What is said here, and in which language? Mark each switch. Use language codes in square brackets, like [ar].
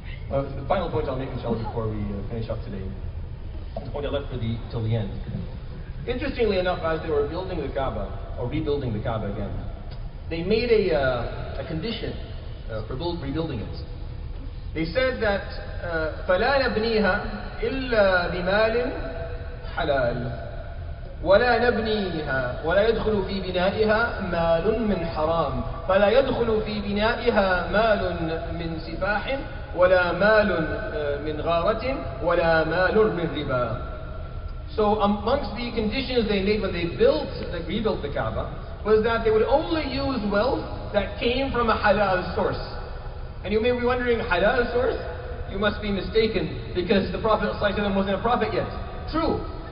[en] The final point I'll make, inshallah, before we finish up today, the point I left till the end. Interestingly enough, as they were building the Kaaba, or rebuilding the Kaaba again, they made a condition for rebuilding it. They said that, [ar] فَلَا نَبْنِيهَا إِلَّا بِمَالٍ حَلَالٍ وَلَا نَبْنِيهَا وَلَا يَدْخُلُ فِي بِنَائِهَا مَالٌ مِّنْ حَرَامٍ فَلَا يَدْخُلُ فِي بِنَائِهَا مَالٌ مِّنْ سِفَاحٍ وَلَا مَالٌ مِّنْ غَارَةٍ وَلَا مَالٌ مِّنْ رِبَا. [en] So amongst the conditions they made when they built, like rebuilt the Kaaba, was that they would only use wealth that came from a halal source. And you may be wondering, halal source? You must be mistaken, because the Prophet ﷺ wasn't a prophet yet. True.